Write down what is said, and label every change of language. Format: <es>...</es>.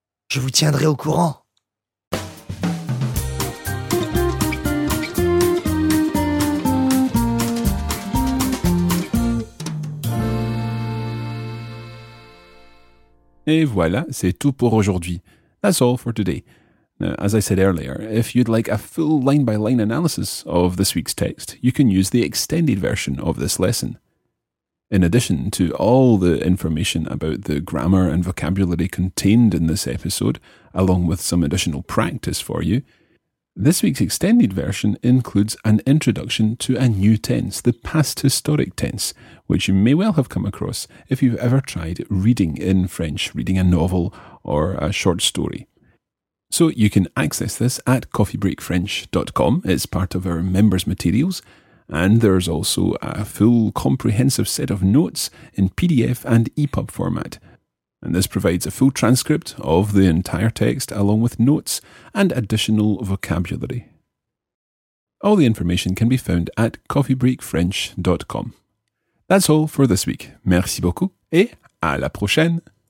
<fr>Je vous tiendrai au courant. Et voilà, c'est tout pour aujourd'hui.</fr> <en>That's all for today. Now, as I said earlier, if you'd like a full line-by-line analysis of this week's text, you can use the extended version of this lesson. In addition to all the information about the grammar and vocabulary contained in this episode, along with some additional practice for you, this week's extended version includes an introduction to a new tense, the past historic tense, which you may well have come across if you've ever tried reading in French, reading a novel or a short story. So you can access this at coffeebreakfrench.com. It's part of our members' materials. And there's also a full comprehensive set of notes in PDF and EPUB format. And this provides a full transcript of the entire text along with notes and additional vocabulary. All the information can be found at coffeebreakfrench.com. That's all for this week.</en> <fr>Merci beaucoup et à la prochaine!</fr>